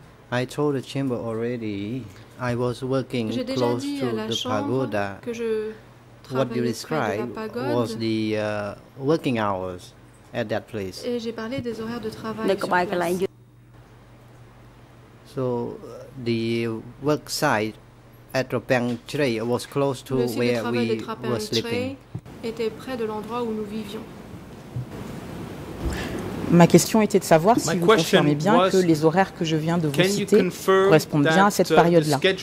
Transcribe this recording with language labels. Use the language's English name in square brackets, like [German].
[English] I told the chamber already I was working close to the pagoda. What you described was the working hours at that place. [French] Et j'ai parlé des horaires de travail sur place. [English] So the work site at Rapang Trey was close to where we were sleeping. [French] Était près de l'endroit où nous vivions. Ma question était de savoir si vous confirmez bien que les horaires que je viens de vous citer correspondent bien à cette période-là.